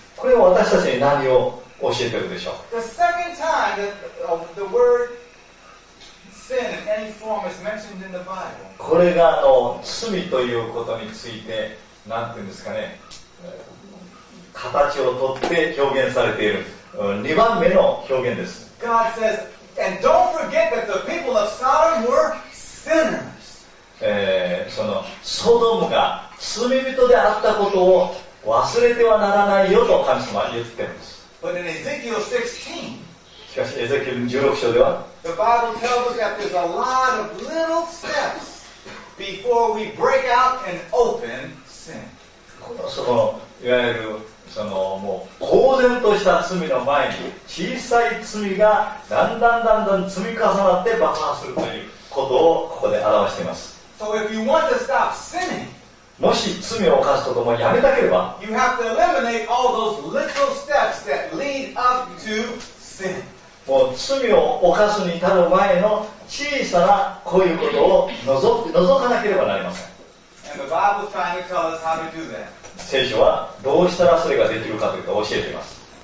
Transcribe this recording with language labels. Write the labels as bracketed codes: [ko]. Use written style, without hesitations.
[ja] これは私たちに何を教えておくでしょう。 [en] The second time that the word sin in any form is mentioned in the Bible. [ja] これが罪ということについて、なんていうんですかね、形をとって表現されている、2番目の表現です。 [en] God says, and don't forget that the people of Sodom were sinners. [ja] そのソドムが罪人であったことを忘れてはならないよと神様は言っています。 [en] But in Ezekiel 16, [ja] しかしエゼキエル16章では [en] The Bible tells us that there's a lot of little steps before we break out and open sin. [ja] そのいわゆるそのもう公然とした罪の前に小さい罪がだんだんだんだん積み重なって爆発するということをここで表しています。 [en] So if you want to stop sinning, [ja] もし罪を犯すこともやめたければ [en] You have to eliminate all those little steps that lead up to sin. [ja] もう罪を犯すに至る前の小さなこういうことを除かなければなりません。 [en] And the Bible is trying to tell us how to do that. [ja] 聖書はどうしたらそれができるかというか教えています。